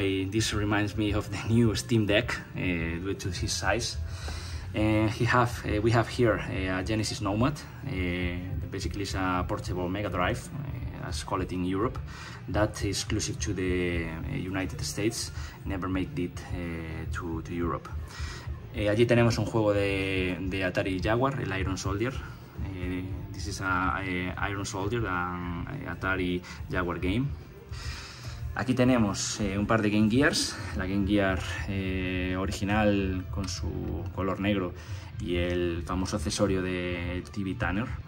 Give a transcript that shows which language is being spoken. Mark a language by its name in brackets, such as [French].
[English] This reminds me of the new Steam Deck due to his size. We have here a Genesis Nomad, basically it's a portable Mega Drive, as call it in Europe, that is exclusive to the United States, never made it to Europe. [Spanish] Allí tenemos un juego de Atari Jaguar, el Iron Soldier. [English] This is a Iron Soldier, an Atari Jaguar game. [Spanish] Aquí tenemos un par de Game Gears, la Game Gear original con su color negro y el famoso accesorio de TV Tanner.